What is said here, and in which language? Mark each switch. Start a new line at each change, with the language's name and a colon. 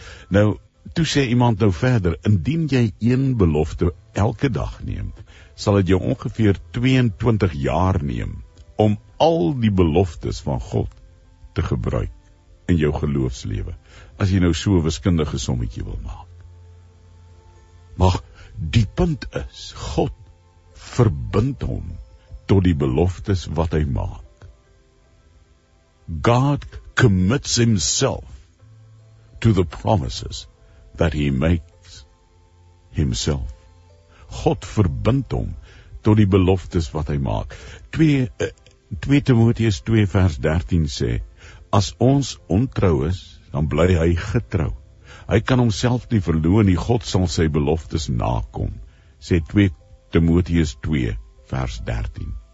Afrikaans: Nou, toe sê iemand nou verder, indien jy een belofte elke dag neem, sal het jou ongeveer 22 jaar neem, om al die beloftes van God te gebruik in jou geloofslewe, as jy nou so 'n wiskundige sommetjie wil maak. Maar die punt is, God verbind hom tot die beloftes wat hy maak.
English: God commits himself to the promises that he makes himself.
Afrikaans: God verbind hom tot die beloftes wat hy maak. 2 Timoteus 2 vers 13 sê, as ons ontrou is, dan bly hy getrou. Hy kan homself nie verloon nie, God sal sy beloftes nakom, sê 2 Timoteus 2 vers 13.